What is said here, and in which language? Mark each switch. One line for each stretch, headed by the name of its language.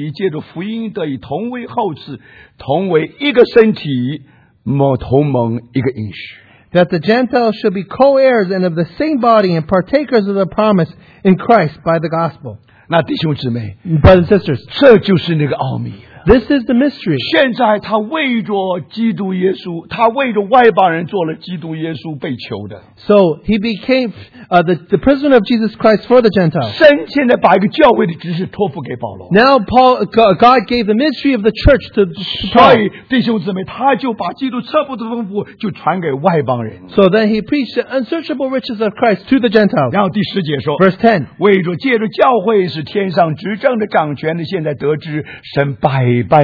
Chinese: 这奥秘就是外邦人在基督耶稣里借着福音得以同为后嗣, 同为一个身体, 某同盟一个应许,
English: that the Gentiles should be co-heirs and of the same body and partakers of the promise in Christ by the gospel.
Chinese: 那弟兄姊妹,
English: brothers and sisters,
Chinese: 这就是那个奥秘,
English: this is the mystery.
Chinese: 现在他为着基督耶稣, 他为着外邦人做了基督耶稣被囚的,
English: so he became the prisoner of Jesus Christ for the Gentiles.
Chinese: 神现在把一个教会的职事托付给保罗,
English: now Paul, God gave the ministry of the church to Paul.
Chinese: 所以弟兄姊妹, 他就把基督赐福的丰富就传给外邦人,
English: so then he preached the unsearchable riches of Christ to the Gentiles.
Chinese: 然后第十节说,
English: verse 10,
Chinese: 为着借着教会使天上执政的掌权的现在得知神拜,